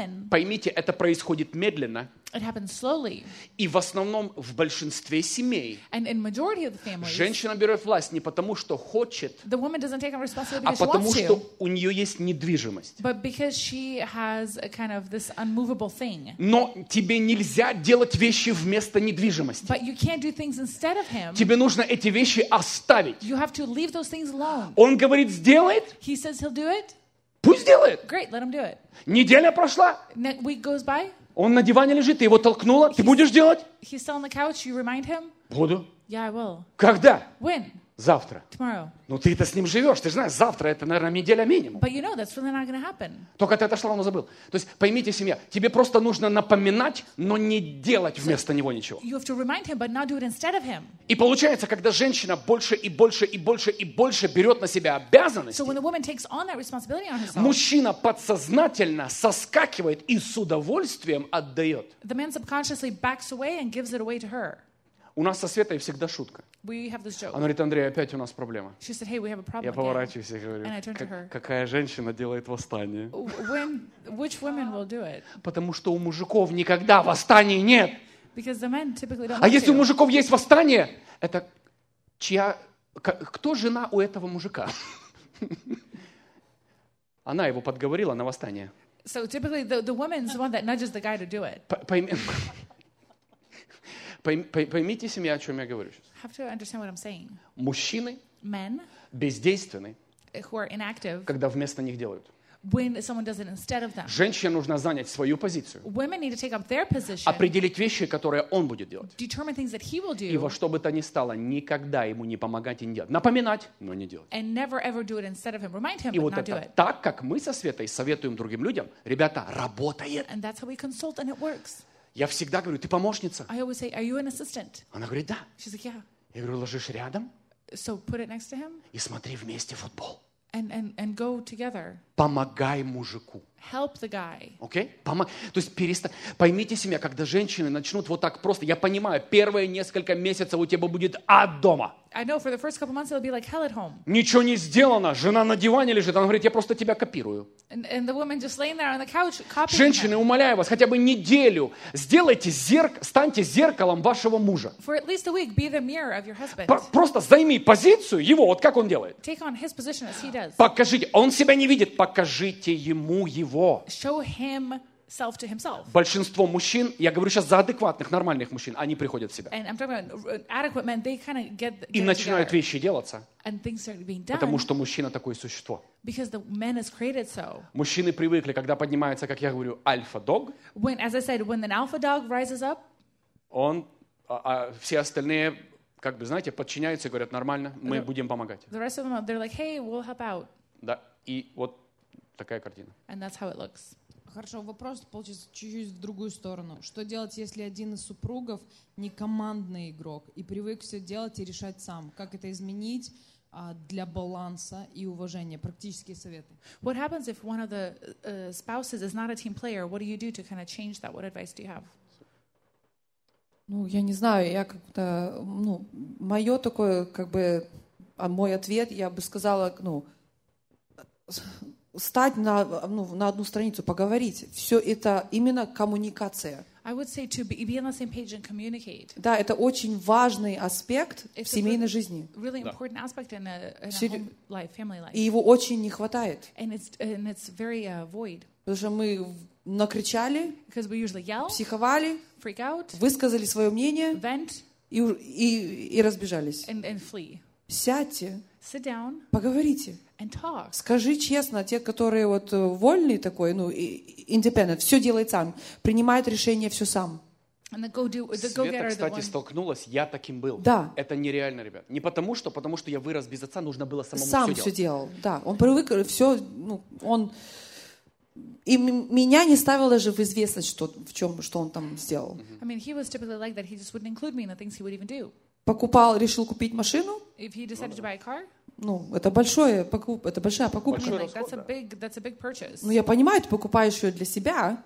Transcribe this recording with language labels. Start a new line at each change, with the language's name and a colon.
Russian: Поймите, это происходит медленно.
English: It happens slowly.
Russian: И в основном в большинстве семей.
English: And in majority of the families,
Russian: женщина берет власть не потому, что хочет,
English: the woman doesn't take on responsibility,
Russian: а потому,
English: she
Russian: что
English: wants to,
Russian: у нее есть недвижимость.
English: But because she has a kind of this unmovable thing.
Russian: Но тебе нельзя делать вещи вместо недвижимости.
English: But you can't do things instead of him.
Russian: Тебе нужно эти вещи оставить.
English: You have to leave those things alone.
Russian: Он говорит, сделает.
English: He says he'll do it.
Russian: Пусть сделает.
English: Great, let him do it.
Russian: Неделя прошла.
English: Week goes by.
Russian: Он на диване лежит, ты его толкнула. Ты будешь делать?
English: He's still on the couch. You remind him?
Russian: Буду.
English: Yeah, I will.
Russian: Когда?
English: When?
Russian: Завтра.
English: Tomorrow.
Russian: Ну ты-то с ним живешь. Ты же знаешь, завтра это, наверное, неделя минимум.
English: But you know, that's really not gonna happen.
Russian: Только ты отошла, он забыл. То есть, поймите, семья, тебе просто нужно напоминать, но не делать вместо него ничего.
English: You have to remind him, but not do it instead of him.
Russian: И получается, когда женщина больше и больше и больше и больше берет на себя обязанности,
English: so when the woman takes on that responsibility on herself,
Russian: мужчина подсознательно соскакивает и с удовольствием отдает.
English: The man subconsciously backs away and gives it away to her.
Russian: У нас со Светой всегда шутка. Она говорит, Андрей, опять у нас проблема.
English: She said, hey, we have a problem.
Russian: Я поворачиваюсь и говорю, какая женщина делает восстание?
English: When, which women will do it?
Russian: Потому что у мужиков никогда восстаний нет.
English: Because the men typically don't
Russian: а если to. У мужиков есть восстание, это чья... Кто жена у этого мужика? Она его подговорила на восстание.
English: So typically the woman's the one that nudges the guy to do it.
Russian: Поймите, семья, о чем я говорю сейчас.
English: have to understand what I'm saying.
Russian: Мужчины
English: Men,
Russian: бездейственны,
English: who are inactive,
Russian: когда вместо них делают.
English: When someone does it instead of them.
Russian: Женщине нужно занять свою позицию.
English: Women need to take up their position.
Russian: Определить вещи, которые он будет делать.
English: Determine things that he will do.
Russian: И во что бы то ни стало, никогда ему не помогать и не делать. Напоминать, но не делать.
English: And never ever do it instead of him. Remind him,
Russian: и
English: but
Russian: вот
English: not
Russian: это,
English: do it.
Russian: Так, как мы со Светой советуем другим людям, ребята, работает.
English: And that's how we consult and it works.
Russian: Я всегда говорю, ты помощница?
English: I always say, are you an assistant?
Russian: Она говорит, да.
English: She's like, yeah.
Russian: Я говорю, ложишь рядом?
English: So put it next to him.
Russian: И смотри вместе футбол.
English: And go together.
Russian: Помогай мужику.
English: Help the guy.
Russian: Окей? То есть перестань. Поймите, семья, когда женщины начнут вот так просто, я понимаю, первые несколько месяцев у тебя будет ад дома.
English: I know for the first couple months it'll be like hell at home.
Russian: Ничего не сделано, жена на диване лежит, она говорит, я просто тебя копирую.
English: And the woman just laying there on the couch copying.
Russian: Женщины, умоляю вас, хотя бы неделю сделайте станьте зеркалом вашего мужа.
English: For at least a week be the mirror of your husband.
Russian: Просто займи позицию его, вот как он делает.
English: Take on his position as he does.
Russian: Покажите, он себя не видит, покажите ему его.
English: Show him self to himself.
Russian: Большинство мужчин, я говорю сейчас за адекватных, нормальных мужчин, они приходят в себя.
English: And I'm talking about adequate men, they kind of get
Russian: и начинают вещи делаться.
English: And things start being done.
Russian: Потому что мужчина такое существо.
English: Because the man is created so.
Russian: Мужчины привыкли, когда поднимается, как я говорю, альфа-дог.
English: When, as I said, when an alpha dog rises up,
Russian: он, все остальные, как бы, знаете, подчиняются и говорят, нормально, мы будем помогать.
English: The rest of them, they're like, hey, we'll help out.
Russian: Да, и вот такая картина.
English: And that's how it looks.
Russian: Хорошо, вопрос получится чуть-чуть в другую сторону. Что делать, если один из супругов не командный игрок и привык все делать и решать сам? Как это изменить для баланса и уважения? Практические советы.
English: What happens if one of the spouses is not a team player? What do you do to kind of change that? What advice do you have?
Russian: Ну, я не знаю, я как-то, ну, мое такое, как бы, мой ответ, я бы сказала, ну, стать на, ну, на одну страницу, поговорить. Все это именно коммуникация.
English: I would say to be on the same page and communicate.
Russian: Да, это очень важный аспект в семейной жизни.
English: Really important aspect in a home life, family life.
Russian: И его очень не хватает.
English: And it's very void.
Russian: Потому что мы накричали,
English: because we usually yell,
Russian: психовали,
English: freak out,
Russian: высказали свое мнение,
English: vent,
Russian: и разбежались.
English: And flee.
Russian: Сядьте,
English: sit down,
Russian: поговорите.
English: And talk.
Russian: Скажи честно, те, которые вот вольный такой, ну, independent, все делает сам, принимает решение все сам. Света, кстати, столкнулась, я таким был. Да. Это нереально, ребят. Не потому что я вырос без отца, нужно было самому сам все делать. Сам все делал, да. Он привык, все, ну, он... И меня не ставило даже в известность, что он там сделал.
English: I mean, he was typically like that, he just wouldn't include me in the things he would even do.
Russian: Покупал, решил купить машину.
English: If he decided to buy a car.
Russian: Ну, это большое покуп, это большая покупка. Большой расход,
English: that's a big purchase.
Russian: Ну, я понимаю, ты покупаешь ее для себя.